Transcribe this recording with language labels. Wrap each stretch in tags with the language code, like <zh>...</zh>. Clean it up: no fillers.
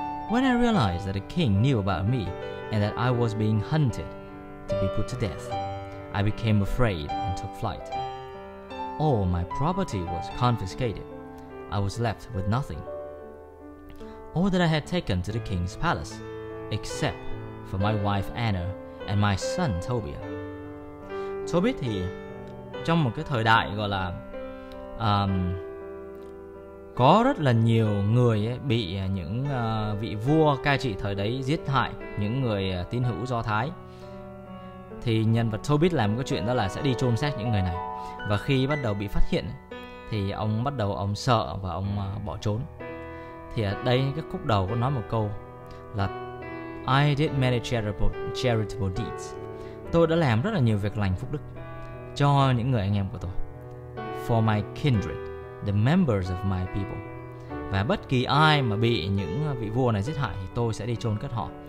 <en>When I realized that the king knew about me and that I was being hunted to be put to death, I became afraid and took flight. All my property was confiscated. I was left with nothing. All that I had taken to the king's palace, except for my wife Anna and my son Tobia.</en> <vi>Tobit thì trong một cái thời đại gọi là có rất là nhiều người ấy, bị những vị vua cai trị thời đấy giết hại những người tín hữu Do Thái. Thì nhân vật Tobit làm một cái chuyện đó là sẽ đi chôn xác những người này. Và khi bắt đầu bị phát hiện thì ông bắt đầu ông sợ và ông bỏ trốn. Thì ở đây cái khúc đầu có nói một câu là</vi> <en>I did many charitable deeds.</en> <vi>Tôi đã làm rất là nhiều việc lành phúc đức cho những người anh em của tôi.</vi> <en>For my kindred, the members of my people.</en> <vi>Và bất kỳ ai mà bị những vị vua này giết hại thì tôi sẽ đi chôn cất họ.</vi>